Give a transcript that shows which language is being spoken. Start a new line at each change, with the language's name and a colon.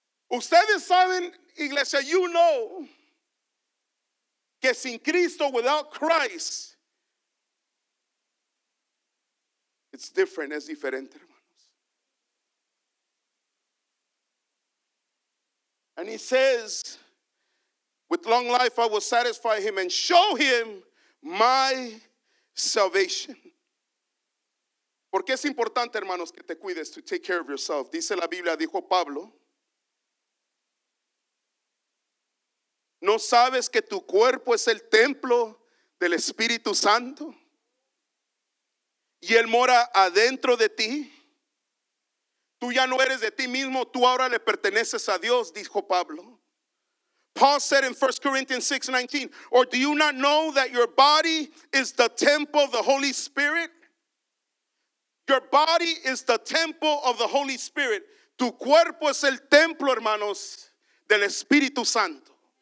Spanish: Ustedes saben, iglesia,
English: you know,
Spanish: que sin Cristo,
English: without Christ, it's different,
Spanish: es diferente, hermanos.
English: And he says, with long life I will satisfy him and show him my salvation.
Spanish: Porque es importante, hermanos, que te cuides,
English: to take care of yourself.
Spanish: Dice la Biblia, dijo Pablo, ¿no sabes que tu cuerpo es el templo del Espíritu Santo? Y él mora adentro de ti. Tú ya no eres de ti mismo, tú ahora le perteneces a Dios, dijo Pablo.
English: Paul said in 1 Corinthians 6:19, or do you not know that your body is the temple of the Holy Spirit? Your body is the temple of the Holy Spirit.
Spanish: Tu cuerpo es el templo, hermanos, del Espíritu Santo.